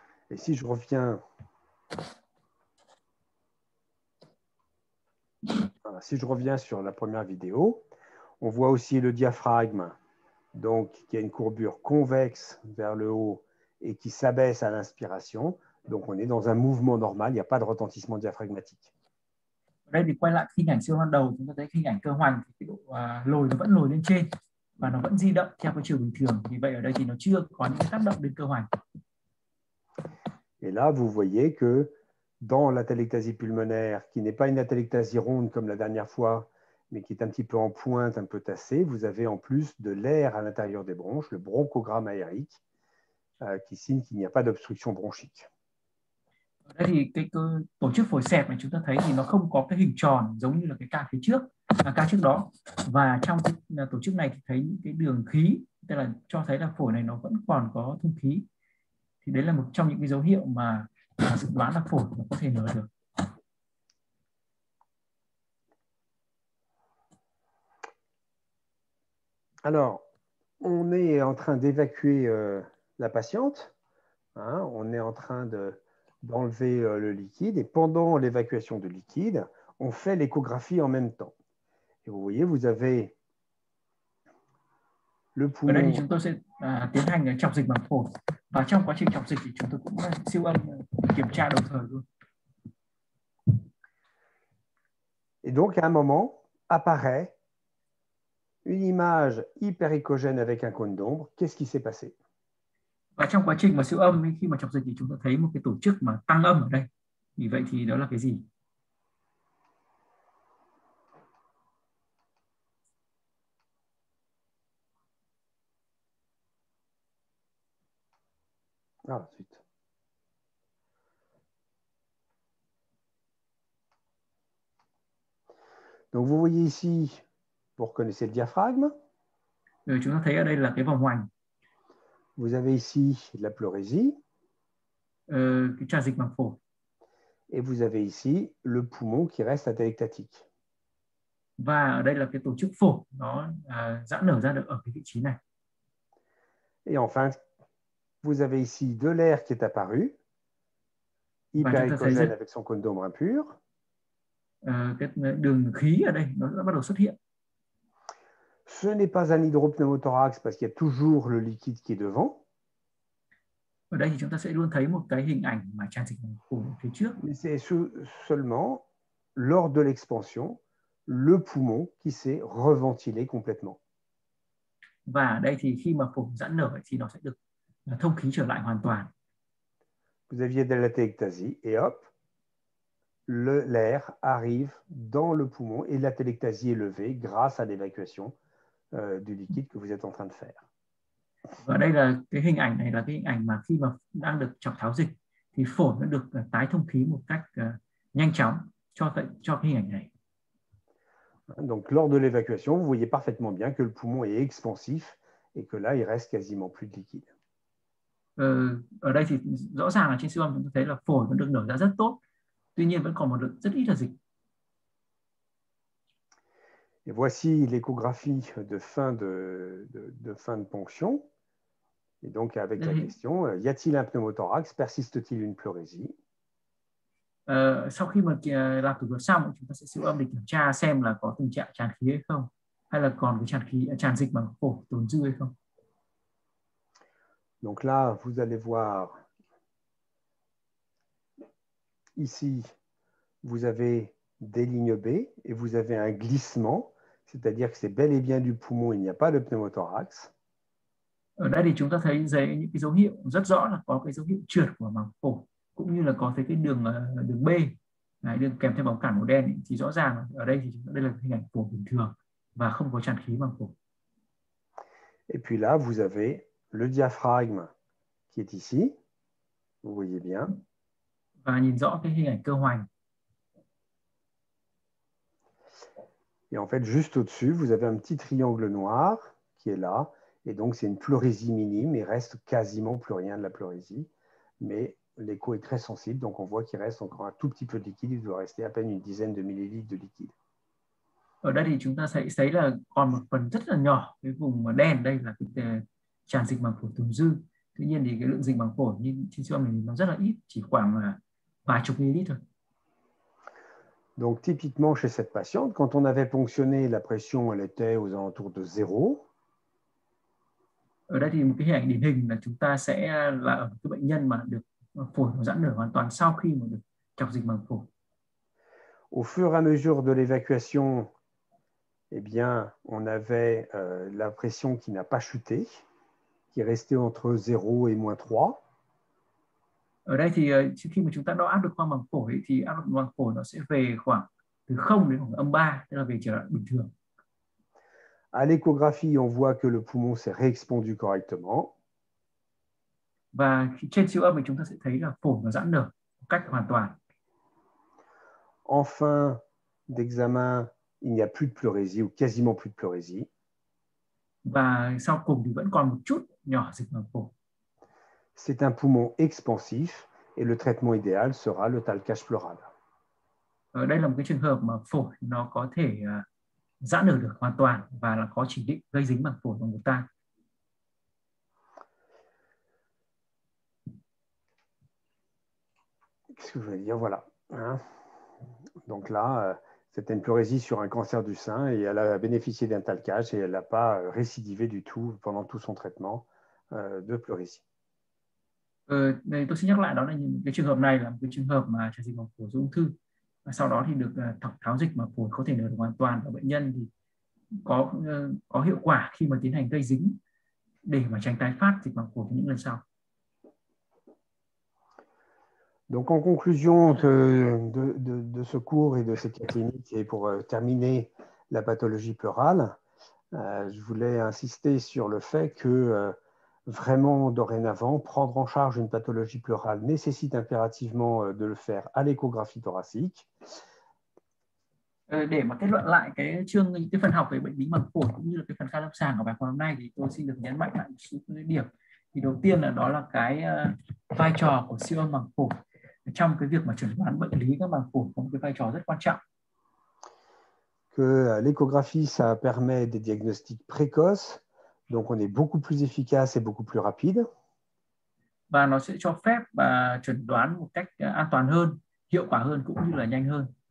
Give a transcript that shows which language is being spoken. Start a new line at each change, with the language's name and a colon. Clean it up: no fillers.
French: Et si je reviens, voilà, si je reviens sur la première vidéo, on voit aussi le diaphragme, donc qui a une courbure convexe vers le haut et qui s'abaisse à l'inspiration. Donc on est dans un mouvement normal, il n'y a pas de retentissement diaphragmatique.
Vietnamese: Đây thì quay lại hình ảnh siêu âm đầu, chúng ta thấy hình ảnh cơ hoành, cái độ lồi nó vẫn lồi lên trên. Và nó vẫn di động theo cái chiều bình thường. Vì vậy ở đây thì nó chưa có những tác động đến cơ hoành.
French: Et là, vous voyez que dans l'atelectasie pulmonaire, qui n'est pas une atelectasie ronde comme la dernière fois, mais qui est un petit peu en pointe, un peu tassée, vous avez en plus de l'air à l'intérieur des bronches, le bronchogramme aérique, qui signe qu'il n'y a pas d'obstruction bronchique.
Vietnamese: Đó thì cái tổ chức phổi xẹp mà chúng ta thấy thì nó không có cái hình tròn giống như là cái ca phía trước, ca trước đó. Và trong cái tổ chức này thì thấy những cái đường khí, tức là cho thấy là phổi này nó vẫn còn có thông khí. Thì đấy là một trong những cái dấu hiệu mà dự đoán là phổi có thể nở được.
French: Alors, on est en train d'évacuer la patiente, hein, on est en train d'enlever le liquide, et pendant l'évacuation de liquide, on fait l'échographie en même temps. Et vous voyez, vous avez le
Vietnamese: Ở đây thì
French: poumon.
Vietnamese: chúng tôi sẽ tiến hành chọc dịch bằng phổi, và trong quá trình chọc dịch thì chúng tôi cũng siêu âm kiểm tra đồng thời luôn.
French: Et donc, à un moment, apparaît une image hyperéchogène avec un cône d'ombre, qu'est-ce qui s'est passé?
Vietnamese: Và trong quá trình mà siêu âm khi mà chọc dịch thì chúng ta thấy một cái tổ chức mà tăng âm ở đây. Vì vậy thì đó là cái gì?
French: Ah, zut. Donc vous voyez ici. Vous reconnaissez le diaphragme.
Vietnamese: Rồi chúng ta thấy ở đây là cái vòng hoành.
French: Vous avez ici la pleurésie.
Vietnamese: Cái tràn dịch bằng phổi.
French: Et vous avez ici le poumon qui reste atelectatique.
Vietnamese: Và ở đây là cái tổ chức phổi nó giãn nở ra được ở cái vị trí này.
French: Et enfin, vous avez ici de l'air qui est apparu,
Vietnamese: Và chúng ta thấy
French: hyperéchogène avec son cône d'ombre impur.
Vietnamese: cái đường khí ở đây nó đã bắt đầu xuất hiện.
French: Ce n'est pas un hydropneumothorax parce qu'il y a toujours le liquide qui est devant.
Vietnamese: Ở đây thì chúng ta sẽ luôn thấy một cái hình ảnh mà tràn dịch bằng phổi phía trước.
French: Mais c'est seulement lors de l'expansion, le poumon qui s'est reventilé complètement.
Vietnamese: Và đây thì khi mà phổi giãn nở thì nó sẽ được thông khí trở lại hoàn toàn.
French: Vous aviez de l'atelectasie et hop, l'air arrive dans le poumon et l'atelectasie est levée grâce à l'évacuation du liquide que vous êtes en train de faire.
Vietnamese: Và đây là cái hình ảnh này là cái hình ảnh mà khi mà đang được chọc tháo dịch thì phổi nó được tái thông khí một cách nhanh chóng cho cái hình ảnh.
French: Donc, lors de l'évacuation, vous voyez parfaitement bien que le poumon est expansif et que là, il reste quasiment plus de liquide.
Vietnamese: Ở đây thì rõ ràng là trên siêu âm chúng ta thấy là phổi vẫn được nở ra rất tốt, tuy nhiên vẫn còn một lượng rất ít là dịch.
French: Et voici l'échographie de fin de ponction. Et donc, avec la question, y a-t-il un pneumothorax? Persiste-t-il une pleurésie?
Vietnamese: Sau khi mà làm thủ thuật xong chúng ta sẽ siêu âm để kiểm tra xem là có tình trạng tràn khí hay không, hay là còn cái tràn dịch bằng phổi tồn dư hay không.
French: Donc là, vous allez voir, ici, vous avez des lignes B et vous avez un glissement, c'est-à-dire que c'est bel et bien du poumon, il n'y a pas de pneumothorax.
Vietnamese: Ở đây thì chúng ta thấy những cái dấu hiệu rất rõ là có cái dấu hiệu trượt của màng phổi, cũng như là có thấy cái đường đường B này, đường kèm theo bóng cản màu đen ấy. Thì rõ ràng ở đây thì đây là hình ảnh phổi bình thường và không có tràn khí màng phổi.
French: Et puis là, vous avez le diaphragme qui est ici. Vous voyez bien.
Vietnamese: Và nhìn rõ cái hình ảnh cơ hoành.
French: Et en fait, juste au-dessus, vous avez un petit triangle noir qui est là. Et donc, c'est une pleurésie minime. Il reste quasiment plus rien de la pleurésie. Mais l'écho est très sensible. Donc, on voit qu'il reste encore un tout petit peu de liquide. Il doit rester à peine une dizaine de millilitres de liquide.
Vietnamese: Ở đây thì chúng ta sẽ thấy là còn một phần rất là nhỏ cái vùng mà đen đây là cái tràn dịch màng phổi tồn dư. Tuy nhiên thì cái lượng dịch màng phổi như trên siêu âm nó rất là ít, chỉ khoảng vài chục ml thôi.
French: Donc typiquement chez cette patiente, quand on avait ponctionné, la pression, elle était aux alentours de zéro.
Vietnamese: Ở đây thì một cái hình ảnh điển hình là chúng ta sẽ là ở cái bệnh nhân mà được phổi giãn nở hoàn toàn sau khi mà được chọc dịch màng phổi.
French: Au fur et à mesure de l'évacuation, eh bien, on avait la pression qui n'a pas chuté, qui restait entre 0 et moins 3.
Vietnamese: Ở đây thì khi mà chúng ta đo áp lực khoang màng phổi thì áp lực khoang màng phổi nó sẽ về khoảng từ 0 đến khoảng âm 3, tức là về trở lại bình thường.
French: À l'échographie, on voit que le poumon s'est réexpandu correctement.
Vietnamese: Và trên siêu âm thì chúng ta sẽ thấy là phổi nó giãn nở một cách hoàn toàn.
French: En fin d'examen, il n'y a plus de pleurésie ou quasiment plus de pleurésie.
Vietnamese: Và sau cùng thì vẫn còn một chút nhỏ dịch màng phổi.
French: C'est un poumon expansif et le traitement idéal sera le talcage pleural.
Vietnamese: Ở đây là một cái trường hợp mà phổi nó có thể giãn nở được hoàn toàn và là có chỉ định gây dính màng phổi của người ta.
French: Qu'est-ce que je voulais dire? Voilà. Hein? Donc là, c'était une pleurésie sur un cancer du sein et elle a bénéficié d'un talcage et elle n'a pas récidivé du tout pendant tout son traitement de pleurésie.
Vietnamese: Tôi xin nhắc lại, đó là những cái trường hợp này là một cái trường hợp mà tràn dịch màng phổi do ung thư, và sau đó thì được tháo dịch màng phổi có thể nở được hoàn toàn, và bệnh nhân thì có hiệu quả khi mà tiến hành gây dính để mà tránh tái phát dịch màng phổi những lần sau.
French: Donc en conclusion de ce cours et de cette clinique et pour terminer la pathologie pleurale, je voulais insister sur le fait que vraiment dorénavant, prendre en charge une pathologie pleurale nécessite impérativement de le faire à l'échographie thoracique.
Vietnamese: Để mà kết luận lại cái chương cái phần học về bệnh lý màng phổi cũng như là cái phần khám lâm sàng của bài học hôm nay, thì tôi xin được nhấn mạnh lại một số điểm. Thì đầu tiên là đó là cái vai trò của siêu âm màng phổi trong cái việc mà chẩn đoán bệnh lý các màng phổi, có một cái vai trò rất quan trọng.
French: Que l'échographie, ça permet des diagnostics précoces, donc on est beaucoup plus efficace et beaucoup plus rapide.
Vietnamese: Và nó sẽ cho phép chẩn đoán một cách an toàn hơn, hiệu quả hơn cũng như là nhanh hơn.